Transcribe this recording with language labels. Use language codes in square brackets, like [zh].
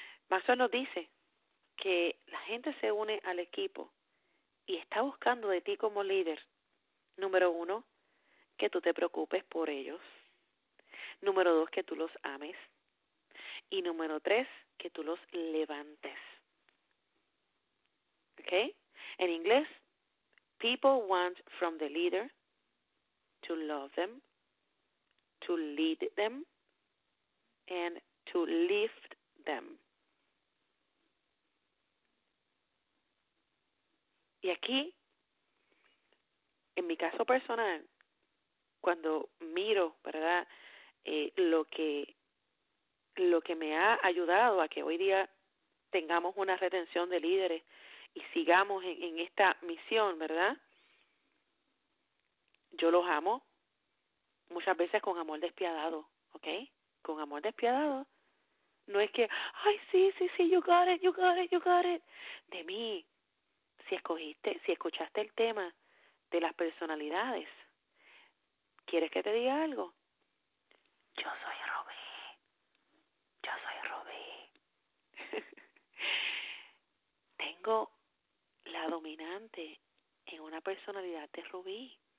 [es] Maxwell nos dice que la gente se une al equipo y está buscando de ti como líder, número uno, que tú te preocupes por ellos, número dos, que tú los ames, y número tres, que tú los levantes. ¿Ok? En inglés, [en] people want from the leader to love them, to lead them, and to lift them. [es] Y aquí, en mi caso personal, cuando miro, ¿verdad?, lo que me ha ayudado a que hoy día tengamos una retención de líderes y sigamos en esta misión, ¿verdad? Yo los amo, muchas veces con amor despiadado, ¿ok? Con amor despiadado. No es que, ay, sí, [en] you got it, you got it, you got it. [es] De mí, si escuchaste el tema de las personalidades, ¿quieres que te diga algo? Yo soy Robé. Yo soy Robé. Tengo la dominante en una personalidad de Rubí.